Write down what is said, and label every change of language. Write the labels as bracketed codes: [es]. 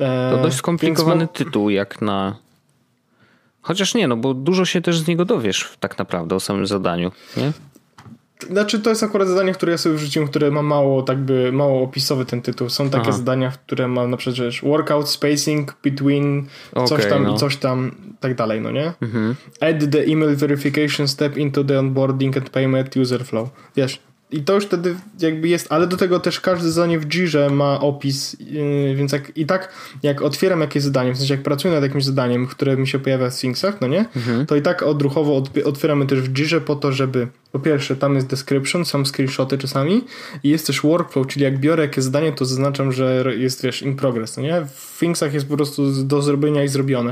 [pl] To dość skomplikowany tytuł jak na... Chociaż nie, no bo dużo się też z niego dowiesz tak naprawdę o samym zadaniu, nie? Znaczy to jest akurat zadanie, które ja sobie wrzuciłem, które ma mało, tak by, mało opisowy ten tytuł. Są takie zadania, które mam na przykład, wiesz, [en] workout spacing between [pl] coś tam i tak dalej, no nie? [en] Add the email verification step into the onboarding and payment user flow. [pl] Wiesz, i to już wtedy jakby jest, ale do tego też każde zadanie w Jirze ma opis, więc jak, i tak jak otwieram jakieś zadanie, w sensie jak pracuję nad jakimś zadaniem, które mi się pojawia w Thingsach, no nie? To i tak odruchowo otwieramy też w Jirze po to, żeby, po pierwsze, tam jest description, są screenshoty czasami i jest też workflow, czyli jak biorę jakieś zadanie, to zaznaczam, że jest, wiesz, in progress, no nie? W Thingsach jest po prostu do zrobienia i zrobione.